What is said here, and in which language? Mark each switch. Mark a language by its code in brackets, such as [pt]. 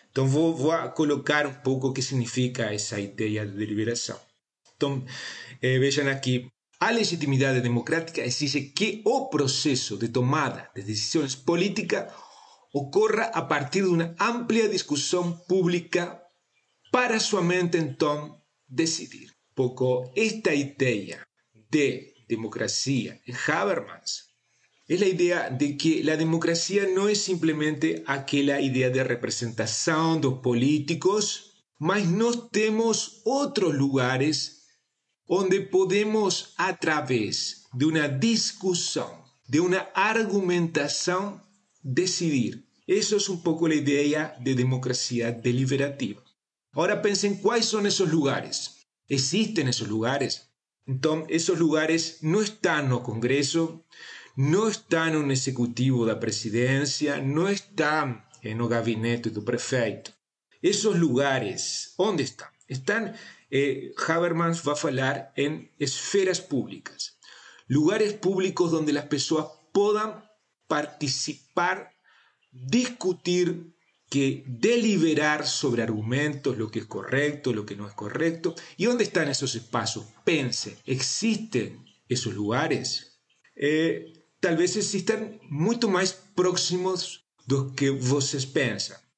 [pt] Então, vou colocar um pouco o que significa essa ideia de deliberação. Então, vejam aqui, a legitimidade democrática exige que o processo de tomada de decisões políticas ocorra a partir de uma ampla discussão pública para somente, então, decidir. [es] Poco esta idea de democracia en Habermas es la idea de que la democracia no es simplemente aquella idea de representación de los políticos, mas nos tenemos otros lugares donde podemos, a través de una discusión, de una argumentación, decidir. Eso es un poco la idea de democracia deliberativa. Ahora pensen, ¿cuáles son esos lugares? [pt] Existem esses lugares. Então, esses lugares não estão no Congresso, não estão no Executivo da Presidência, não estão no gabinete do prefeito. Esses lugares, onde estão? Estão, Habermas vai falar, em esferas públicas. Lugares públicos onde as pessoas podem participar, discutir [es] que deliberar sobre argumentos, lo que es correcto, lo que no es correcto. ¿Y dónde están esos espacios? Pense, ¿existen esos lugares? Tal vez existan mucho más próximos de lo que vocês pensan.